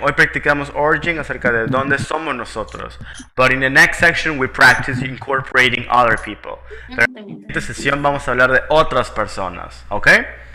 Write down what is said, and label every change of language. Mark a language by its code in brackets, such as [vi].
[es] Hoy practicamos origin acerca de dónde somos nosotros. [en] But in the next section we practice incorporating other people. [es] Pero en esta sesión vamos a hablar de otras personas, ¿okay?